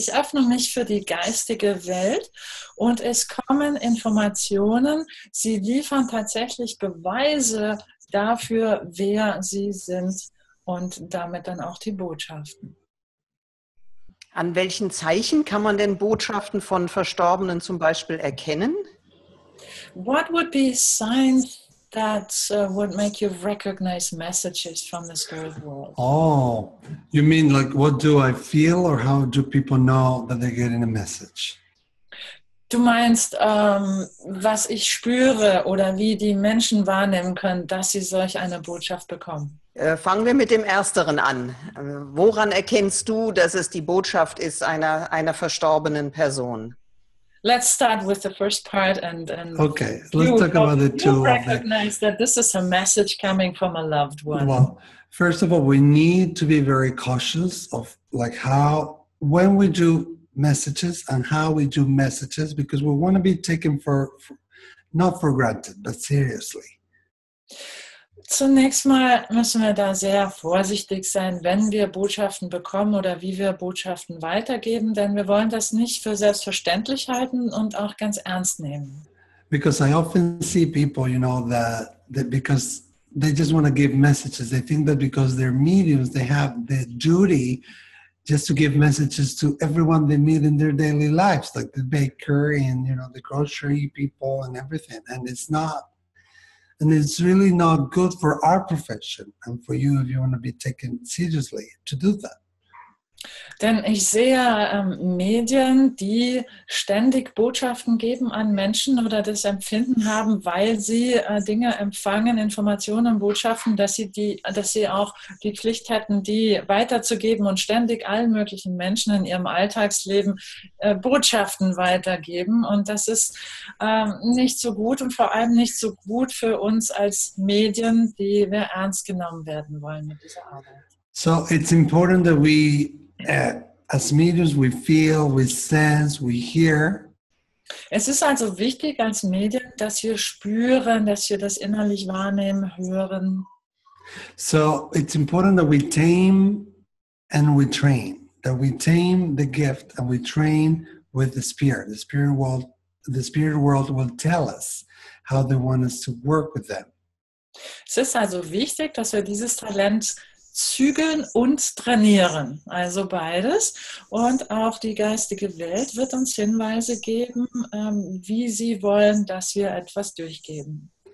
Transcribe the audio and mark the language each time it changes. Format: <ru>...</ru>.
<de>Ich öffne mich für die geistige Welt und es kommen Informationen. Sie liefern tatsächlich Beweise dafür, wer sie sind, und damit dann auch die Botschaften. An welchen Zeichen kann man denn Botschaften von Verstorbenen zum Beispiel erkennen?</de> <en>What would be signs that would make you recognize messages from the spirit world? Oh, you mean like what do I feel or how do people know that they're getting a message?</en> <de>Du meinst, was ich spüre oder wie die Menschen wahrnehmen können, dass sie solch eine Botschaft bekommen. Fangen wir mit dem Ersteren an. Woran erkennst du, dass es die Botschaft ist einer verstorbenen Person?</de> <en>Let's start with the first part and okay, let's talk about the two. You recognize that this is a message coming from a loved one. Well, first of all, we need to be very cautious of like how, when we do messages and how we do messages, because we want to be taken for not for granted, but seriously.</en> <de>Zunächst mal müssen wir da sehr vorsichtig sein, wenn wir Botschaften bekommen oder wie wir Botschaften weitergeben, denn wir wollen das nicht für selbstverständlich halten und auch ganz ernst nehmen.</de> <en>Because I often see people, you know, that because they just want to give messages, they think that because they're mediums, they have the duty just to give messages to everyone they meet in their daily lives, like the baker and, you know, the grocery people and everything. And it's really not good for our profession and for you, if you want to be taken seriously, to do that.</en> <de>Denn ich sehe Medien, die ständig Botschaften geben an Menschen oder das Empfinden haben, weil sie Dinge empfangen, Informationen, Botschaften, dass sie auch die Pflicht hätten, die weiterzugeben und ständig allen möglichen Menschen in ihrem Alltagsleben Botschaften weitergeben. Und das ist nicht so gut und vor allem nicht so gut für uns als Medien, die wir ernst genommen werden wollen mit dieser Arbeit.</de> <en>So it's important that we as mediums, we feel, we sense, we hear.</en> <de>Es ist also wichtig als Medium, dass wir spüren, dass wir das innerlich wahrnehmen, hören.</de> <en>So it's important that we tame and we train. That we tame the gift and we train with the spirit. The spirit world will tell us how they want us to work with them.</en> <de>Es ist also wichtig, dass wir dieses Talent zügeln und trainieren, also beides. Und auch die geistige Welt wird uns Hinweise geben, wie sie wollen, dass wir etwas durchgeben.</de>